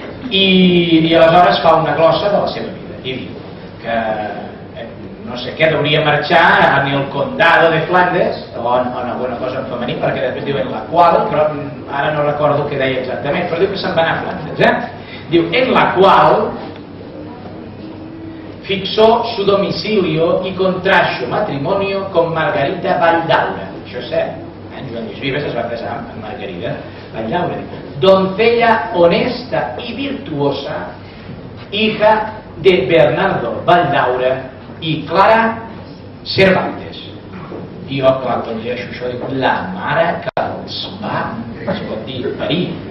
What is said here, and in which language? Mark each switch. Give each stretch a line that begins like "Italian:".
Catalan: I aleshores fa una glossa de la seva vida. I diu que no sé què, hauria marxar a
Spanish: el condado de Flandes,
Catalan: on alguna cosa en femení, perquè després diuen la qual, però ara no recordo què deia exactament, però diu que se'n va anar a Flandes.
Spanish: Diu, en la qual fixó su domicilio y contrajo matrimonio con Margarita Valldaura.
Catalan: Això és cert. En Joan Lluís Vives es va casar amb Margarita Valldaura.
Spanish: Doncella honesta y virtuosa, hija de Bernardo Valldaura i Clara Cervantes.
Catalan: I jo, clar, quan llegeixo això, dic, la mare que els va, es pot dir, parir.